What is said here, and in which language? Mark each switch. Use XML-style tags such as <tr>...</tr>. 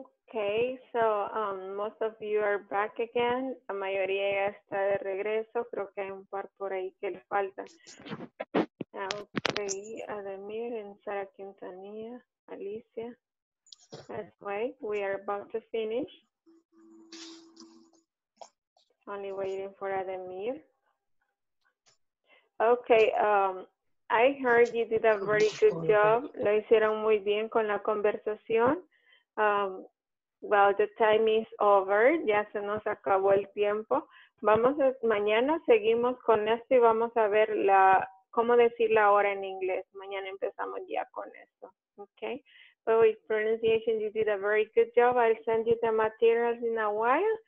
<en>Okay, so most of you are back again.</en> <es>La mayoría ya está de regreso. Creo que hay un par por ahí que le falta.</es> <en>Okay, Ademir and Sara Quintanilla, Alicia. That's why we are about to finish. Only waiting for Ademir. Okay, I heard you did a very good job.</en> <es>Lo hicieron muy bien con la conversación.</es> <en>Well, the time is over.</en> <es>Ya se nos acabó el tiempo. Vamos a, mañana seguimos con esto y vamos a ver la cómo decir la hora en inglés. Mañana empezamos ya con esto. Okay.</es> <en>But with pronunciation, you did a very good job. I'll send you the materials in a while.</en>